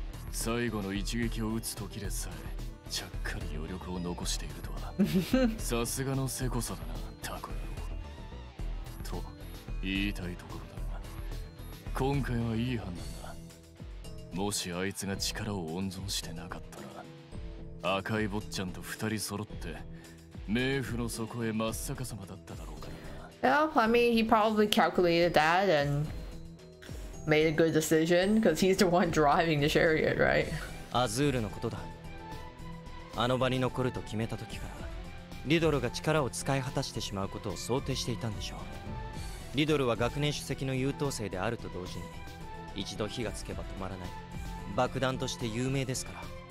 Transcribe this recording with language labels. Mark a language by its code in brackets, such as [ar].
[ja] 最後の一撃を打つ時でさえちゃっかり余力を残しているとはさすがのセコさだな、タコ野郎と言いたいところだが、今回はいい判断だ。もしあいつが力を温存してなかったら、赤い坊ちゃんと二人揃って冥府の底へ真っ逆さまだっただろうかな。 [en] Yeah, I mean, he probably calculated that and made a good decision because he's the one driving the chariot, right? [ja] アズールのことだ。あの場に残ると決めた時からリドルが力を使い果たしてしまうことを想定していたんでしょう。リドルは学年主席の優等生であると同時に、一度火がつけば止まらない爆弾として有名ですから。